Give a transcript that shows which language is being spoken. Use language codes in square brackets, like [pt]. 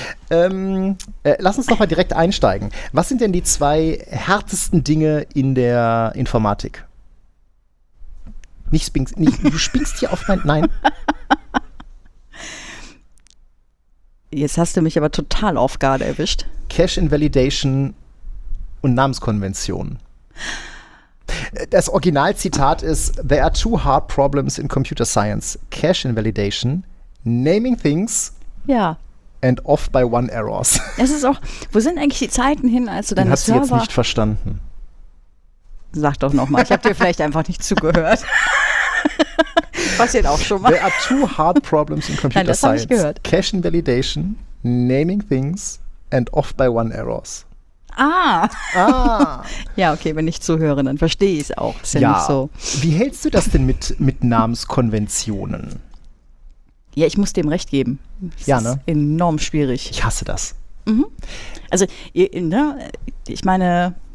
[de] Lass uns doch mal direkt einsteigen. Was sind denn die zwei härtesten Dinge in der Informatik? Du spinkst hier auf mein... Nein. Jetzt hast du mich aber total auf Garde erwischt. Cache Invalidation und Namenskonvention. Das Originalzitat ist: [en] There are two hard problems in computer science. Cache Invalidation, naming things... [de] Ja. [en] And off by one errors. [de] Es ist auch, wo sind eigentlich die Zeiten hin, als du deine Server... Den hast du jetzt nicht verstanden. Sag doch nochmal, ich habe dir vielleicht einfach nicht zugehört. Passiert auch schon mal. [en] There are two hard problems in computer science. [de] Nein, das habe ich gehört. [en] Cache invalidation, naming things and off by one errors. Ah. [de] Ja, okay, wenn ich zuhöre, dann verstehe ich es auch. Ist ja nicht so. Wie hältst du das denn mit Namenskonventionen? Ja, ich muss dem recht geben. Das ja, ne? Ist enorm schwierig. Ich hasse das. Mhm. Also, ne, ich meine,